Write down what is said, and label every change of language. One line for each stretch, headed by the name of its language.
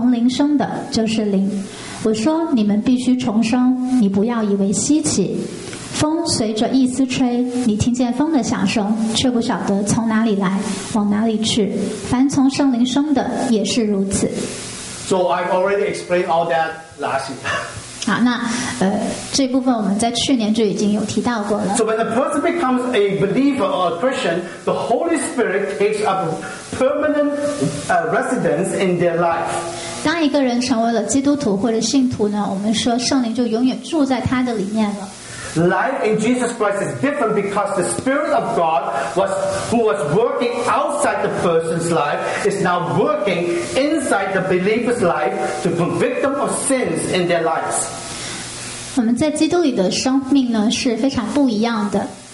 Chinese: 好，我们约翰福音第三章三到八节呢，告诉我们，耶稣回答说：“我实实在在的告诉你，人若不重生，就不能见神的国。”尼哥底母说：“人已经老了，如何能重生呢？岂能在进母腹生出来吗？”耶稣说：“我实实在在的告诉你，人若不是从水和圣灵生的，就不能进神的国。从肉身生的，就是肉身；从灵生的，就是灵。” 我说你们必须重生，你不要以为稀奇。风随着一丝吹，你听见风的响声，却不晓得从哪里来，往哪里去。凡从圣灵生的也是如此。
English: So I've already explained all that last year.
Chinese: 好，那这部分我们在去年就已经有提到过了。
English: So when a person becomes a believer or a Christian, the Holy Spirit takes up permanent residence in their life.
Chinese: 当一个人成为了基督徒或者信徒呢，我们说圣灵就永远住在他的里面了。
English: Life in Jesus Christ is different because the Spirit of God was, who was working outside the person's life is now working inside the believer's life to convict them of sins in their lives.
Chinese: 我们在基督里的生命呢，是非常不一样的。